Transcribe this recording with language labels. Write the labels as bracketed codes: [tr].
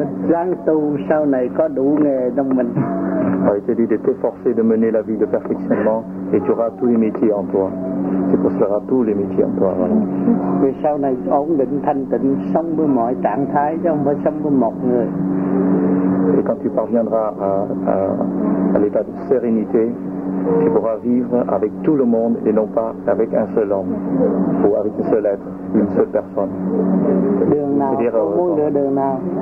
[vi] Ráng tu sau này có đủ nghề trong mình. [fr] Il te dit de t'efforcer de mener la vie de perfectionnement et tu auras tous les métiers en toi. Tu posséderas tous les métiers en toi. [vi] Vì sau này ổn định thanh tịnh sống với mọi trạng thái chứ không phải sống với một người. [fr] Et quand tu parviendras à l'état de sérénité, tu pourras vivre avec tout le monde et non pas avec un seul homme ou avec un seul être, une seule personne. [vi] Đường nào, dire, đường nào.